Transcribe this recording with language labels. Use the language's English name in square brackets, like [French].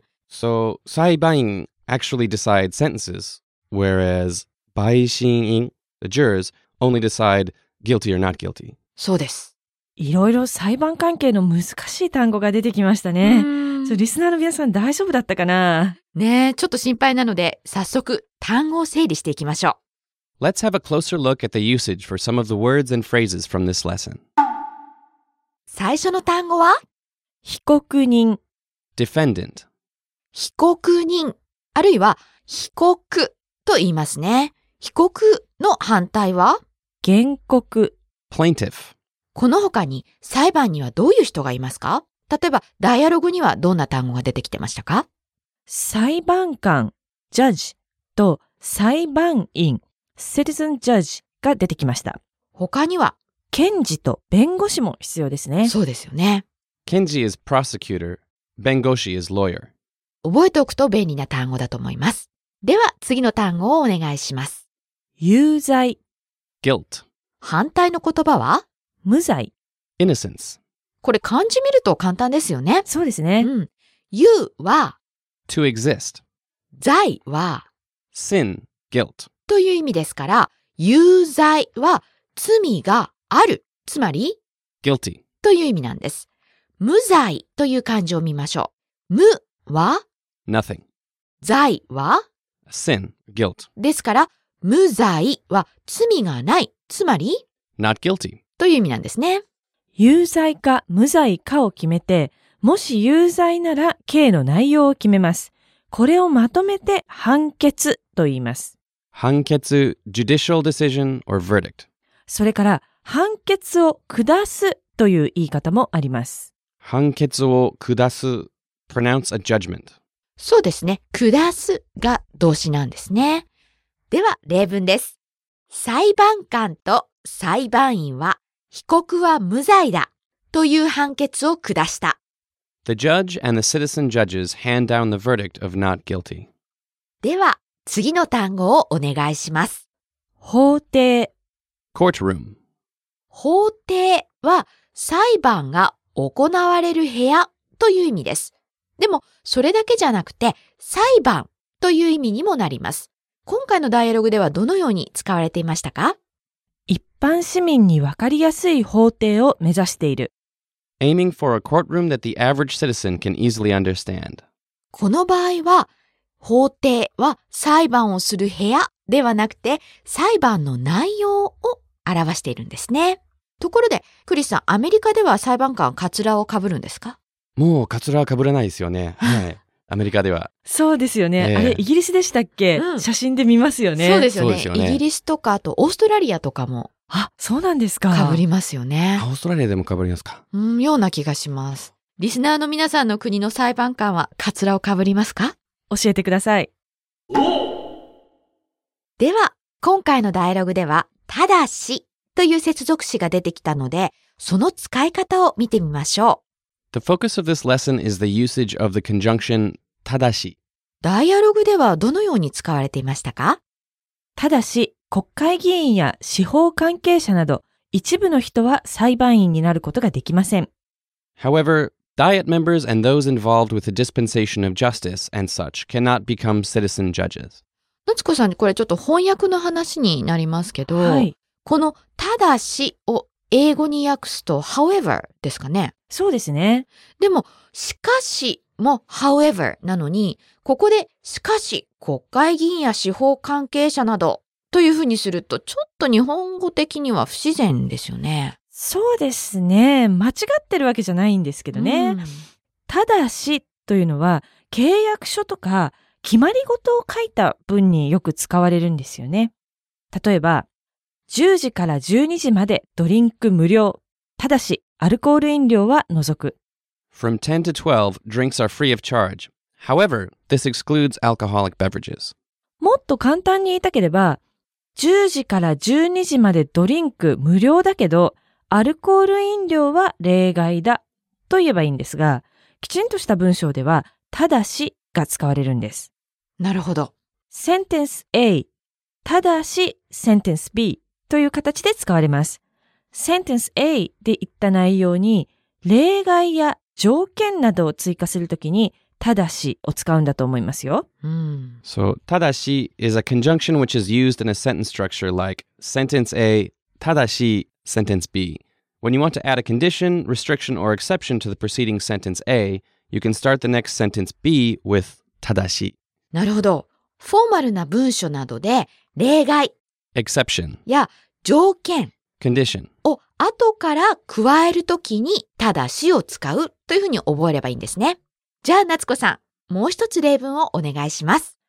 [English] So, 裁判員 actually decide sentences, whereas 陪審員 the jurors, only decide guilty or not guilty. [Japanese] そうです。いろいろ裁判関係の難しい単語が出てきましたね。リスナーの皆さん大丈夫だったかな？ねえ、ちょっと心配なので、早速単語を整理していきましょう。 [English] Let's have a closer look at the usage for some of the words and phrases from this lesson. [Japanese] 最初の単語は被告人 [English] Defendant [Japanese] 被告人あるいは被告と言いますね。被告の反対は原告 [English] Plaintiff [Japanese] この他に裁判にはどういう人がいますか？例えばダイアログにはどんな単語が出てきてましたか？裁判官 Judge と裁判員Citizen Judge が出てきました。他には、検事と弁護士も必要ですね。そうですよね。 [English] 検事 is prosecutor, 弁護士 is lawyer. [Japanese] 覚えておくと便利な単語だと思います。では、次の単語をお願いします。有罪 [English] guilt [Japanese] 反対の言葉は無罪 [English] innocence [Japanese] これ漢字見ると簡単ですよね。そうですね。有は [English] to exist [Japanese] 罪は [English] sin, guilt [Japanese] という意味ですから、有罪は罪がある、つまり [English] guilty [Japanese] という意味なんです。無罪という漢字を見ましょう。無は [English] nothing [Japanese] 罪は [English] sin, guilt [Japanese] ですから、無罪は罪がない、つまり [English] Not guilty [Japanese] という意味なんですね。有罪か無罪かを決めて、もし有罪なら刑の内容を決めます。これをまとめて判決と言います。 [English] 判決、judicial decision or verdict。 [Japanese] それから判決を下すという言い方もあります。判決を下す、 [English] pronounce a judgment。 [Japanese] そうですね。下すが動詞なんですね。では例文です。裁判官と裁判員は被告は無罪だという判決を下した。 [English] The judge and the citizen judges hand down the verdict of not guilty. [Japanese] では、次の単語をお願いします。法廷。 [English] Courtroom. [Japanese] 法廷は裁判が行われる部屋という意味です。でも、それだけじゃなくて、裁判という意味にもなります。今回のダイアログではどのように使われていましたか？一般市民に分かりやすい法廷を目指している。 [English] Aiming for a courtroom that the average citizen can easily understand. [Japanese] この場合は、法廷は裁判をする部屋ではなくて、裁判の内容を表しているんですね。ところで、クリスさん、アメリカでは裁判官カツラをかぶるんですか？もうカツラはかぶらないですよね。はい。アメリカでは。そうですよね。あれ、イギリスでしたっけ、うん、写真で見ますよね。そうですよね。イギリスとか、あとオーストラリアとかも。あ、そうなんですか。かぶりますよね。オーストラリアでもかぶりますか。うん、ような気がします。リスナーの皆さんの国の裁判官はカツラをかぶりますか？教えてください。では、今回のダイアログでは、ただしという接続詞が出てきたので、その使い方を見てみましょう。 [English] The focus of this lesson is the usage of the conjunction ただし。 [Japanese] ダイアログではどのように使われていましたか？ただし、国会議員や司法関係者など一部の人は裁判員になることができません。 [English] However, Diet members and those involved with the dispensation of justice and such cannot become citizen judges. [Japanese] 夏子さん、これちょっと翻訳の話になりますけど、はい、このただしを英語に訳すと however ですかね。そうですね。でも、しかしも however なのに、ここでしかし国会議員や司法関係者などというふうにすると、ちょっと日本語的には不自然ですよね。そうですね。間違ってるわけじゃないんですけどね。ただしというのは契約書とか決まり事を書いた文によく使われるんですよね。例えば、10時から12時までドリンク無料。ただし、アルコール飲料は除く。 [English] From 10 to 12, drinks are free of charge. However, this excludes alcoholic beverages. [Japanese] もっと簡単に言いたければ、10時から12時までドリンク無料だけど、アルコール飲料は例外だと言えばいいんですが、きちんとした文章では、ただしが使われるんです。なるほど。センテンス A、ただしセンテンス B という形で使われます。センテンス A で言った内容に、例外や条件などを追加するときに、ただしを使うんだと思いますよ。 [English] So, ただし is a conjunction which is used in a sentence structure like sentence A, ただし sentence B. When you want to add a condition, restriction or exception to the preceding sentence A, you can start the next sentence B with ただし。 [Japanese] なるほど。フォーマルな文書などで例外 [English] exception [Japanese] や条件 [English] condition [Japanese] を後から加えるときにただしを使うというふうに覚えればいいんですね。じゃあ、夏子さん、もう一つ例文をお願いします。